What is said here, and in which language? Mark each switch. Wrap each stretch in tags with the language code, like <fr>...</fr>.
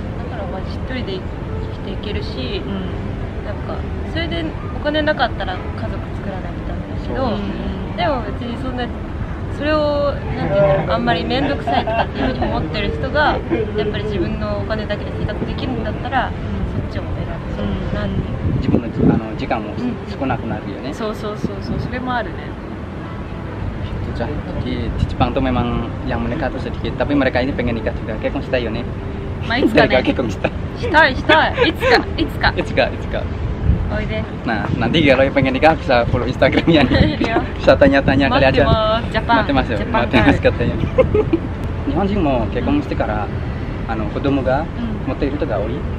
<ja>だからまあ一人で生きていけるし、うん、なんかそれでお金なかったら家族作らないみたいなんだけど、でも別にそんなそれをなんていうんだろう、あんまり面倒くさいとかっていうふうに思ってる人がやっぱり自分のお金だけで生活できるんだったら、うん、そっちを選ぶ、うん、何に自分 あの時間も、うん、少なくなるよね。そうそうそうそう、それもあるね。じゃあ父パンと</ja> <id>memang yang menikah itu sedikit tapi mereka ini pengen nikah juga、</id> <ja>結婚したいよね。まあいつかね、誰か結婚したい、したいしたい、いつかいつかいつかいつかおいで。</ja> <id>nah nanti kalau yang pengen nikah bisa follow Instagramnya nih. bisa tanya-tanya kali aja.</id> <en>Japan.</en> <ja>待ってますよ。待ってますかって。日本人も結婚してから、うん、あの子供が持っている人が多い。</ja>